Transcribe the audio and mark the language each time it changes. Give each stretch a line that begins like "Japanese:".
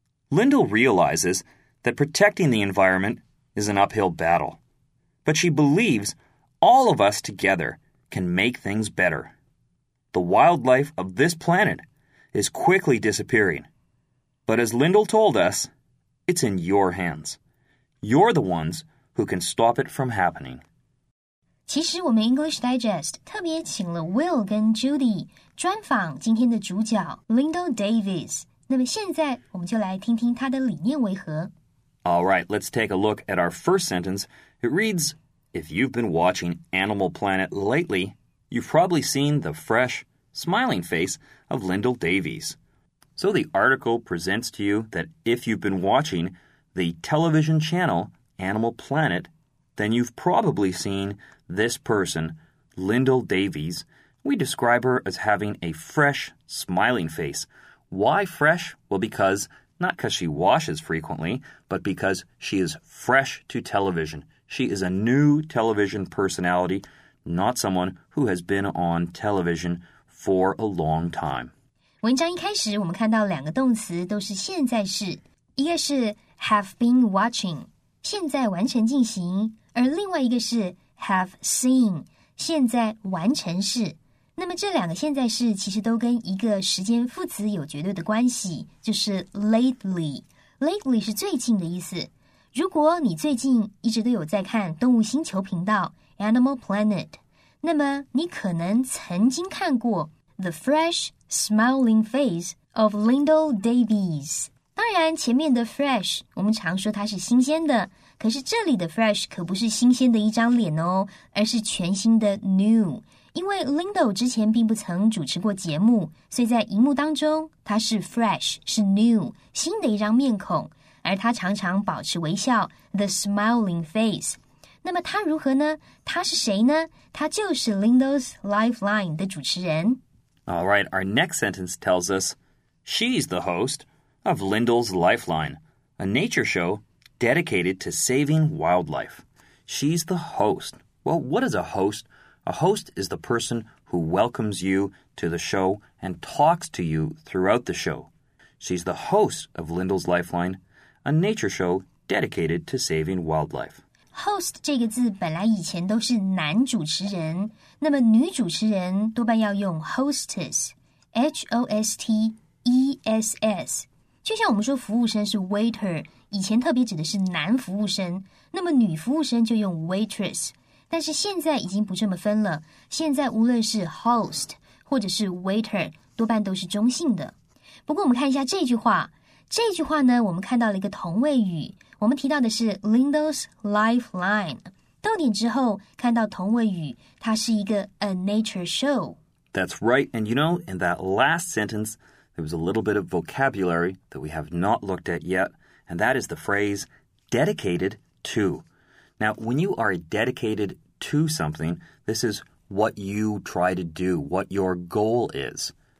English: Lindell realizes that protecting the environment is an uphill battle, but she believes all of us together can make things better. The wildlife of this planet is quickly disappearing, but as Lindell told us, it's in your hands. You're the ones who can stop it from happening.
Chinese: 其实我们 English Digest 特别请了 Will 跟 Judy 专访今天的主角 Lindell Davies。那么现在我们就来听听他的理念为何。
English: All right, let's take a look at our first sentence. It reads, If you've been watching Animal Planet lately, you've probably seen the fresh, smiling face of Lindell Davies. So the article presents to you that if you've been watching the television channel Animal Planet, then you've probably seen this person, Lindell Davies. We describe her as having a fresh, smiling face. Why fresh? Well, because, not because she washes frequently, but because she is fresh to television. She is a new television personality, not someone who has been on television for a long time.
Chinese: 文章一开始我们看到两个动词都是现在式，一个是
English: have been watching,
Chinese: 现在完成进行，而另外一个是
English: have seen,
Chinese: 现在完成式。那么这两个现在式其实都跟一个时间副词有绝对的关系，就是 lately。 lately 是最近的意思。如果你最近一直都有在看动物星球频道 Animal Planet， 那么你可能曾经看过
English: The fresh smiling face of Lindell Davies。
Chinese: 当然前面的 fresh 我们常说它是新鲜的，可是这里的 fresh 可不是新鲜的一张脸哦，而是全新的 new。因为 Lindell 之前并不曾主持过节目，所以在荧幕当中，他是 fresh, 是 new, 新的一张面孔。而他常常保持微笑 ,
English: the smiling face。
Chinese: 那么他如何呢？他是谁呢？他就是 Lindo's Lifeline 的主持人。
English: All right, our next sentence tells us, she's the host of Lindo's Lifeline, a nature show dedicated to saving wildlife. She's the host. Well, what is a host? A host is the person who welcomes you to the show and talks to you throughout the show. She's the host of Lindo's Lifeline, a nature show dedicated to saving wildlife.
Chinese: Host 这个字本来以前都是男主持人，那么女主持人多半要用 hostess，H-O-S-T-E-S-S。就像我们说服务生是 waiter， 以前特别指的是男服务生，那么女服务生就用 waitress。但是现在已经不这么分了，现在无论是 host 或者是 waiter， 多半都是中性的。不过我们看一下这句话，这句话呢，我们看到了一个同位语。我们提到的是 Lindo's Lifeline， 逗点之后看到同位语，它是一个
English: a nature show。 That's right, and you know, in that last sentence, there was a little bit of vocabulary that we have not looked at yet, and that is the phrase dedicated to. Now, when you are dedicated to something, this is what you try to do, what your goal is.